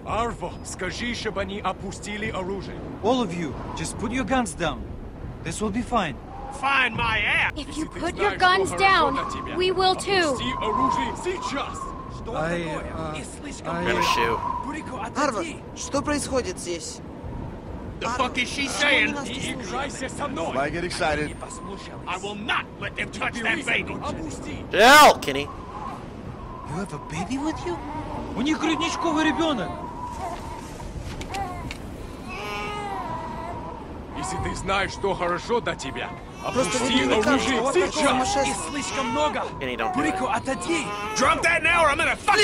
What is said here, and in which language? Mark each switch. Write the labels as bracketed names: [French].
[Russian] Арво, скажи, чтобы они опустили оружие. [English] All of you, just put your guns down. This will be fine. Find my ass! If you put your guns down, we will too. [Russian] Опусти оружие сейчас! [English] I'm gonna shoot. [Russian] Арво, что происходит здесь? [English] The fuck is she saying? [Russian] Играйся со мной! [English] Why get excited? I will not let them touch that baby! Hell, Kenny! You have a baby with you? [Russian] У них грудничковый ребенок. Если ты знаешь, что хорошо для тебя, опусти оружие сейчас! Их слишком много! Брико, отойди! [English] Drop that now or I'm gonna fucking